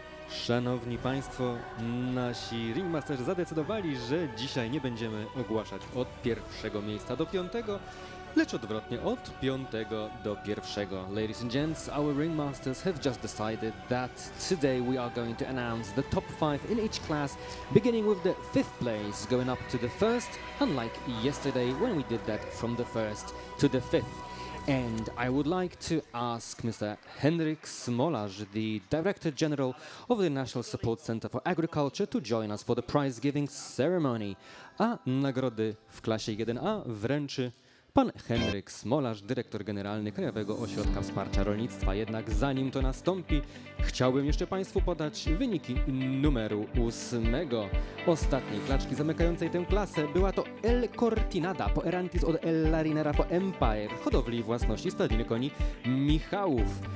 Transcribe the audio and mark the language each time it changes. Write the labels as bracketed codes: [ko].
[pl] Szanowni Państwo, nasi ringmasterzy zadecydowali, że dzisiaj nie będziemy ogłaszać od pierwszego miejsca do piątego, lecz odwrotnie, od piątego do pierwszego. [en] Ladies and gents, our ringmasters have just decided that today we are going to announce the top 5 in each class, beginning with the 5th place, going up to the 1st, unlike yesterday when we did that from the 1st to the 5th. And I would like to ask Mr. Henryk Smolarz, the Director General of the National Support Center for Agriculture, to join us for the prize-giving ceremony. [pl] A nagrody w klasie 1A wręczy pan Henryk Smolarz, Dyrektor Generalny Krajowego Ośrodka Wsparcia Rolnictwa. Jednak zanim to nastąpi, chciałbym jeszcze Państwu podać wyniki numeru 8. Ostatniej klaczki zamykającej tę klasę była to El Cortinada, po Erantis od El Larinera po Empire, hodowli własności Stadiny Koni Michałów.